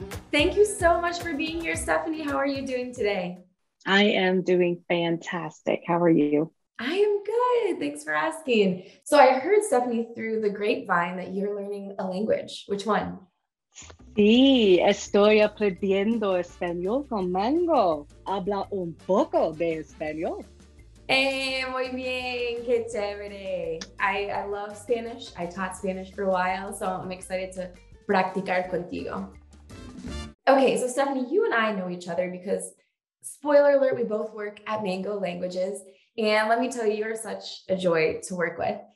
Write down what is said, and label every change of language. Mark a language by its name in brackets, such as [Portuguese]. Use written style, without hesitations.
[English] Thank you so much for being here, Stephanie. How are you doing today? I am doing fantastic. How are you? I am good. Thanks for asking. So I heard, Stephanie, through the grapevine that you're learning a language. Which one? [Spanish] Sí, estoy aprendiendo español con Mango. Habla un poco de español. Hey, muy bien. Qué chévere. [English] I love Spanish. I taught Spanish for a while, so I'm excited to [Spanish] practicar contigo. [English] Okay, so Stephanie, you and I know each other because, spoiler alert, we both work at Mango Languages. And let me tell you, you're such a joy to work with.